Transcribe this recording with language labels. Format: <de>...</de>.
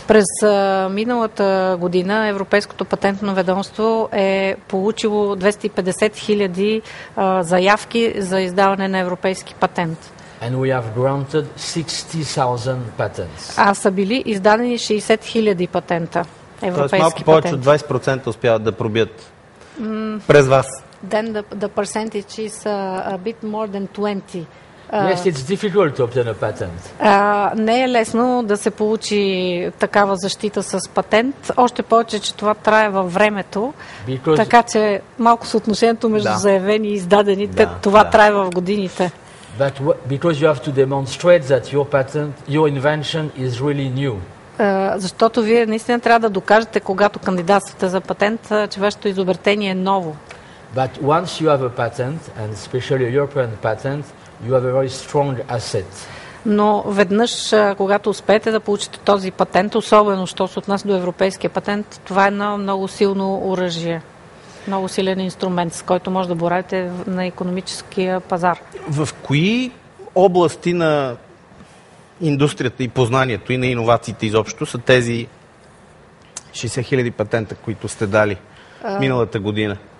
<bg>През миналата година Европейското патентно ведомство е получило 250 000 заявки за издаване на европейски патент.</bg> <en>And we have granted 60,000 patents.</en> <bg>А са били издадени 60 000 патента. Европейски патент. Тоест малко повече от 20% успяват да пробият през вас.</bg> <en>Then the percentage is a bit more than 20. Yes, it's difficult to obtain a patent.</en> <bg>Не е лесно да се получи такава защита с патент, още повече, че това трае във времето,</bg> <en>because</en> <bg>така че малко съотношението между заявени и издадените, това трае в годините.</bg> <en>But because you have to demonstrate that your patent, your invention is really new.</en> <bg>Защото вие наистина трябва да докажете, когато кандидатствате за патент, че вашето изобретение е ново.</bg> <en>But once you have a patent, and especially a European patent, you have a very strong asset.</en> <bg>Но веднъж, когато успеете да получите този патент, особено що се отнася до европейския патент, това е едно много силно оръжие, много силен инструмент, с който може да боравите на икономическия пазар. В кои области на индустрията и познанието и на иновациите изобщо са тези 60 000 патента, които сте дали миналата година?</bg>